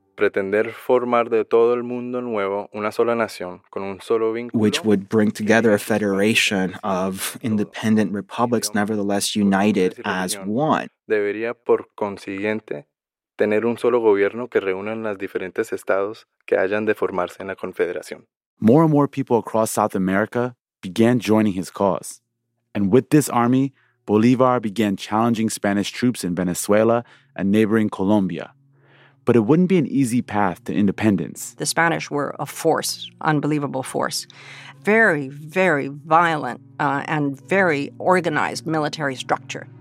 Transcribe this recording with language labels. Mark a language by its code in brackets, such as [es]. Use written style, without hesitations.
[es] pretender formar de todo el mundo nuevo una sola nación con un solo vínculo, [en] which would bring together a federation of independent republics nevertheless united as one, [es] debería por consiguiente tener un solo gobierno que reúna los diferentes estados que hayan de formarse en la confederación. [en] More and more people across South America began joining his cause. And with this army, Bolivar began challenging Spanish troops in Venezuela and neighboring Colombia. But it wouldn't be an easy path to independence. The Spanish were a force, unbelievable force. Very, very violent and very organized military structure.